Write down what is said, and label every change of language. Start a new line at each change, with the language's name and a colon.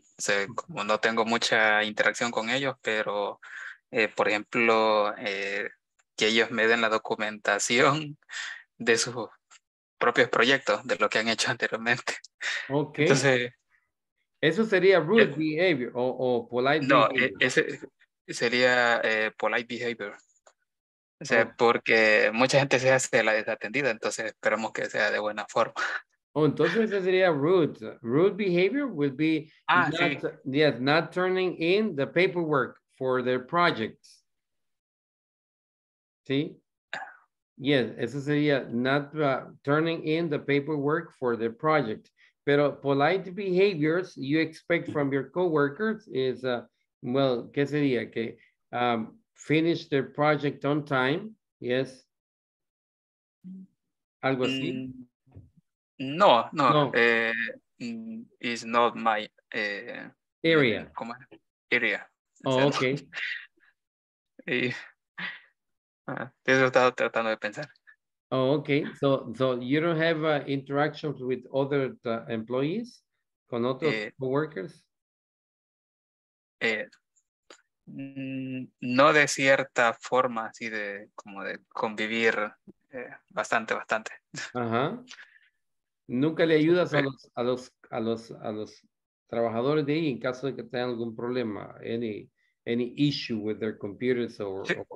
Spanish: O sea, como no tengo mucha interacción con ellos, pero, por ejemplo, que ellos me den la documentación de sus propios proyectos, de lo que han hecho anteriormente. Ok. Entonces, ¿eso sería
English: rude behavior
Spanish: o
English: polite behavior?
Spanish: No, ese sería
English: polite behavior.
Spanish: O sea, porque mucha gente se hace la desatendida, entonces esperamos que sea de buena forma. Oh, entonces eso sería rude.
English: Rude behavior would be not turning in the paperwork for their projects. ¿Sí? Yes,
Spanish: eso sería
English: not turning in the paperwork for the project. Pero polite behaviors you expect from your coworkers is, well,
Spanish: ¿qué sería?
English: Que finish their project on time, yes?
Spanish: Algo así.
English: No. It's not my area. Area. Oh, okay.
Spanish: Eso estaba tratando de pensar.
English: Oh, okay. So you don't have interactions with other employees,
Spanish: con otros coworkers? No de cierta forma, así de como de convivir bastante. Ajá. ¿Nunca le ayudas a los trabajadores de ahí en caso de que tengan algún problema,
English: any issue with their computers
Spanish: or sí?